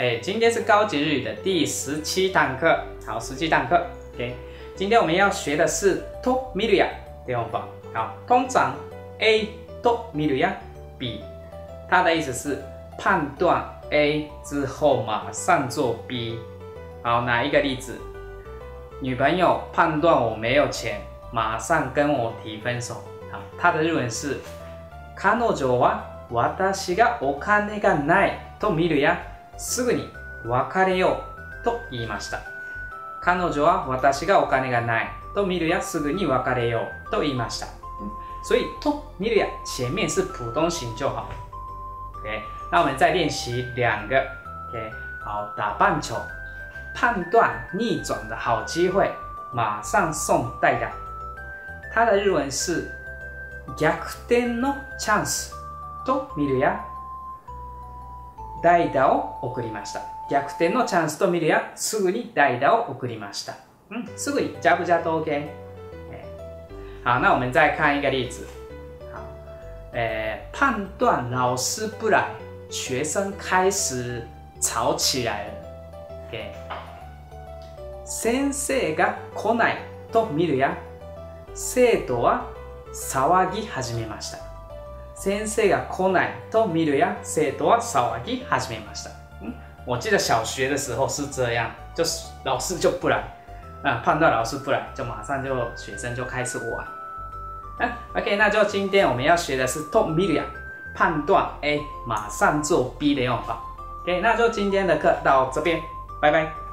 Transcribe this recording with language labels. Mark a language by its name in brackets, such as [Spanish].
[Chinese] 今天是高级日语的第十七堂课，好，十七堂课。 OK， 今天我们要学的是と見るや，对不对？好，通常 A と見るや 比，它的意思是判断 A 之后马上做 B。好，哪一个例子？女朋友判断我没有钱，马上跟我提分手。好，它的日文是 [Japanese] 彼女は。私がお金がないと見るや、すぐに別れようと言いました。彼女は私がお金がないと見るや、すぐに別れようと言いました。 [Chinese] 所以と見るや前面是普通形就好。 OK， 那我们再练习两个。OK， 好，打半球，判断逆转的好机会，马上送代打。它的日文是 [Japanese] 逆転のチャンス。と見るや、代打を送りました。逆転のチャンスと見るや、すぐに代打を送りました。うん、すぐに、ジャブジャブ OK。 [Chinese] 好、那我们再看一个例子。判断老师不来、学生开始吵起来了。 OK。 [Japanese] 先生が来ないと見るや、生徒は騒ぎ始めました。先生が来ないと見るや、生徒は騒ぎ始めました。 [Chinese] 嗯，我记得小学的时候是这样，就是老师就不来，啊，判断老师不来，就马上就学生就开始玩。 OK， 那就今天我们要学的是と見るや，判断 A 马上做 B 的用法。 OK， 那就今天的课到这边，拜拜。